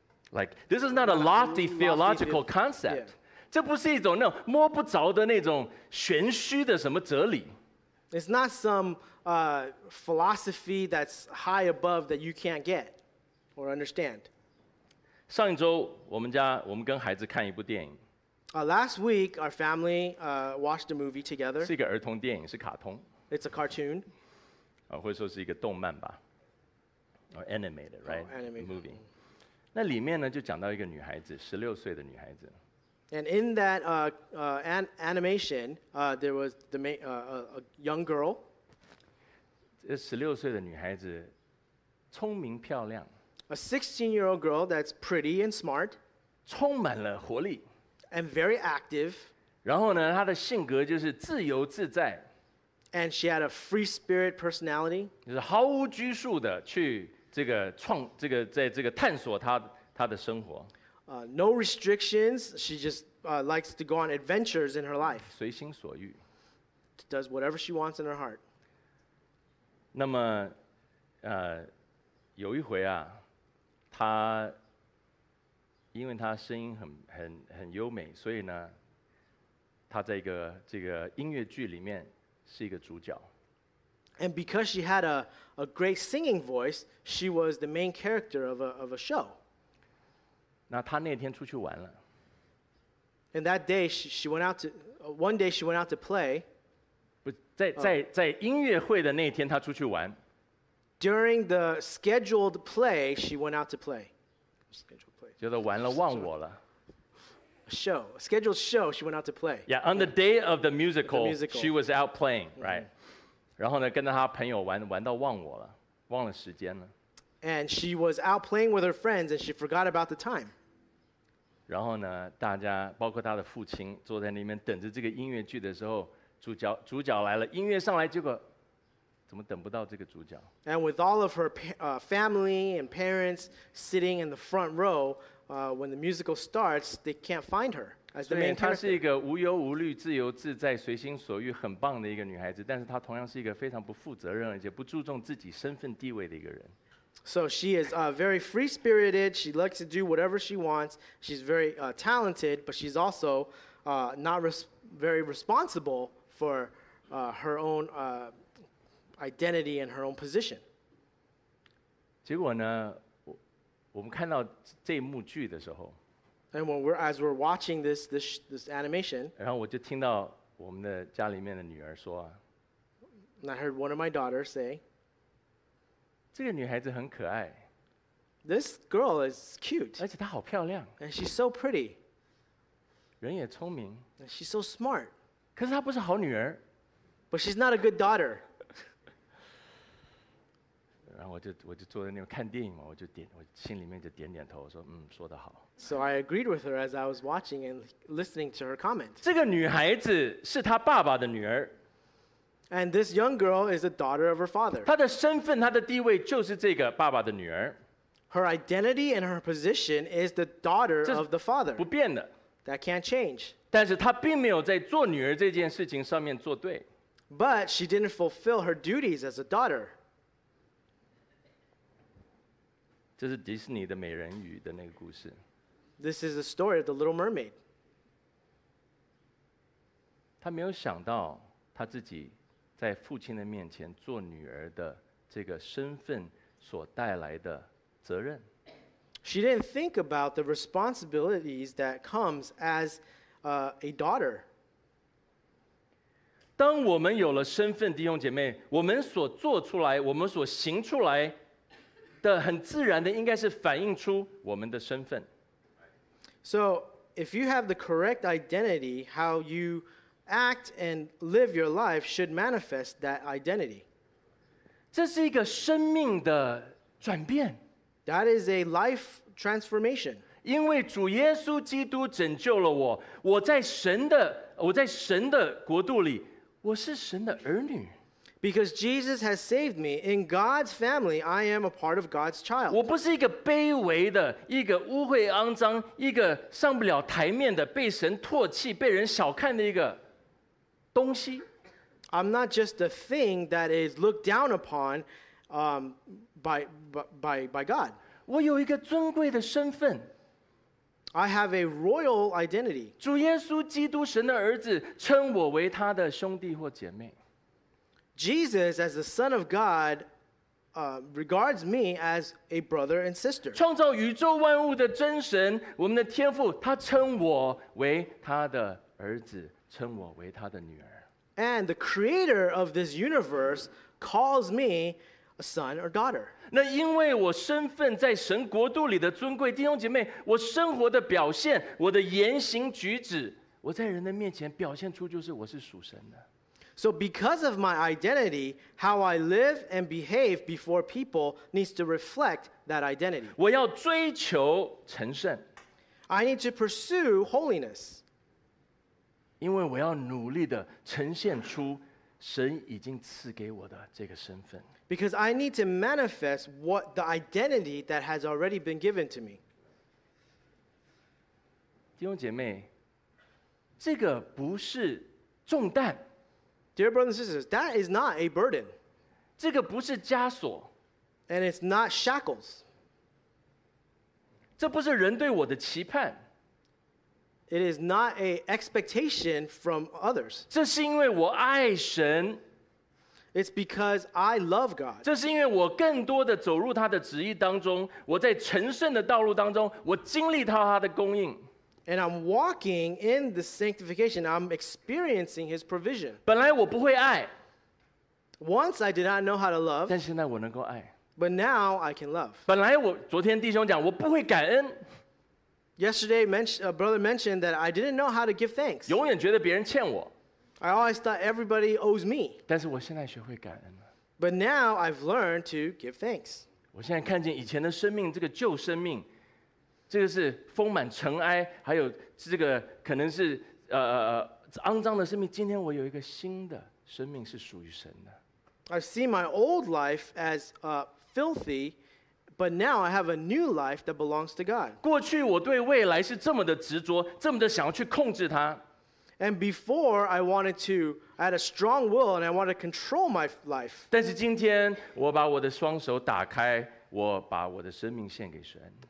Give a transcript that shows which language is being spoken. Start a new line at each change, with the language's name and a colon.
English: like this is not a lofty theological concept.
Chinese: 这不是一种那种摸不着的那种玄虚的什么哲理。
English: It's not some philosophy that's high above that you can't get or understand.
Chinese: 上一周我们家我们跟孩子看一部电影。
English: Last week our family watched a movie together.
Chinese: 是一个儿童电影，是卡通。
English: It's a cartoon.
Chinese: 或者说是一个动漫吧。
English: Or animated, right? Oh, animated movie.
Chinese: 那里面呢就讲到一个女孩子，十六岁的女孩子。
English: And in that animation, there was the main, a young girl.
Chinese: 这十六岁的女孩子聪明漂亮。
English: A 16-year-old girl that's pretty and smart.
Chinese: 充满了活力。
English: And very active.
Chinese: 然后呢，她的性格就是自由自在。
English: And she had a free spirit personality.
Chinese: 就是毫无拘束的去这个创这个在这个探索她的生活。
English: No restrictions. She just likes to go on adventures in her life.
Chinese: 随心所欲。
English: Does whatever she wants in her heart.
Chinese: 那么，有一回啊，她因为她声音很优美，所以呢，她在一个这个音乐剧里面。是一个主角。
English: And because she had a great singing voice, she was the main character of a show.
Chinese: 那她那天出去玩了。
English: And that day she went out to one day she went out to play.
Chinese: 不在音乐会的那天她出去玩。
English: During the scheduled play, she went out to play. Scheduled play.
Chinese: 觉得玩了忘我了。
English: Show, a scheduled show, she went out to play. Yeah, on the day of the musical, the musical. She was out playing, right?
Chinese: 然后呢，跟着她朋友玩到忘我了，忘了时间了。
English: And she was out playing with her friends, and she forgot about the time.
Chinese: 然后呢，大家包括她的父亲坐在那边等着这个音乐剧的时候，主角来了，音乐上来，结果怎么等不到这个主角
English: ？And with all of her family and parents sitting in the front row. When the musical starts, they can't find her as the main character.
Chinese: 所以她是一个无忧无虑、自由自在、随心所欲、很棒的一个女孩子，但是她同样是一个非常不负责任而且不注重自己身份地位的一个人。
English: So she is very free-spirited. She likes to do whatever she wants. She's very talented, but she's also not very responsible for her own identity and her own position.
Chinese: 结果呢？我们看到这一幕剧的时候
English: ，and when we're as we're watching this animation，
Chinese: 然后我就听到我们的家里面的女儿说
English: ，and I heard one of my daughters say，
Chinese: 这个女孩子很可爱
English: ，this girl is cute，
Chinese: 而且她好漂亮
English: ，and she's so pretty，
Chinese: 人也聪明
English: ，and she's so smart，
Chinese: 可是她不是好女儿
English: ，but she's not a good daughter。
Chinese: 然后我就坐在那边看电影嘛，我心里面就点点头，我说嗯，说得好。
English: So I agreed with her as I was watching and listening to her comment.
Chinese: 这个女孩子是她爸爸的女儿。
English: And this young girl is a daughter of her father.
Chinese: 她的身份，她的地位就是这个爸爸的女儿。
English: Her identity and her position is the daughter of the father.
Chinese: 不变的。
English: That can't change.
Chinese: 但是她并没有在做女儿这件事情上面做对。
English: But she didn't fulfill her duties as a daughter.
Chinese: 这是迪士尼的美人鱼的那个故事。
English: This is the story of the Little Mermaid.
Chinese: 她没有想到她自己在父亲的面前做女儿的这个身份所带来的责任。
English: She didn't think about the responsibilities that comes as a daughter.
Chinese: 当我们有了身份，弟兄姐妹，我们所做出来，我们所行出来。的很自然的应该是反映出我们的身份。
English: So, if you have the correct identity, how you act and live your life should manifest that identity.
Chinese: 这是一个生命的转变。
English: That is a life transformation.
Chinese: 因为主耶稣基督拯救了我，我在神的国度里，我是神的儿女。
English: Because Jesus has saved me. In God's family, I am a part of God's child.
Chinese: 我不是一个卑微的，一个污秽肮脏，一个上不了台面的，被神唾弃，被人小看的一个东西。
English: I'm not just a thing that is looked down upon, by God.
Chinese: 我有一个尊贵的身份。
English: I have a royal identity.
Chinese: 主耶稣基督，神的儿子，称我为他的兄弟或姐妹。
English: Jesus, as the Son of God, regards me as a brother and sister.
Chinese: 创造宇宙万物的真神，我们的天父，他称我为他的儿子，称我为他的女儿。
English: And the creator of this universe calls me a son or daughter.
Chinese: 那因为我身份在神国度里的尊贵，弟兄姐妹，我生活的表现，我的言行举止，我在人的面前表现出就是我是属神的。
English: So because of my identity, how I live and behave before people needs to reflect that identity.
Chinese: 我要追求成圣。
English: I need to pursue holiness.
Chinese: 因为我要努力地呈现出神已经赐给我的这个身份。
English: Because I need to manifest what the identity that has already been given to me.
Chinese: 弟兄姐妹，这个不是重担。
English: Dear brothers and sisters, that is not a burden.
Chinese: 这个不是枷锁。
English: And it's not shackles.
Chinese: 这不是人对我的期盼。
English: It is not an expectation from others.
Chinese: 这是因为我爱神。
English: It's because I love God.
Chinese: 这是因为我更多的走入他的旨意当中，我在成圣的道路当中，我经历到他的供应。
English: And I'm walking in the sanctification. I'm experiencing his provision.
Chinese: 本来我不会爱。
English: Once I did not know how to love.
Chinese: 但现在我能够爱。
English: But now I can love.
Chinese: 本来我昨天弟兄讲我不会感恩。
English: Yesterday, a brother mentioned that I didn't know how to give thanks.
Chinese: 永远觉得别人欠我。
English: I always thought everybody owes me.
Chinese: 但是我现在学会感恩了。
English: But now I've learned to give thanks.
Chinese: 我现在看见以前的生命，这个旧生命，这个是丰满尘埃，还有这个可能是肮脏的生命。今天我有一个新的生命，是属于神的。
English: I see my old life as filthy, but now I have a new life that belongs to God.
Chinese: 过去我对未来是这么的执着，这么的想要去控制它。
English: And before I had a strong will and I wanted to control my life.
Chinese: 但是今天我把我的双手打开，我把我的生命献给神。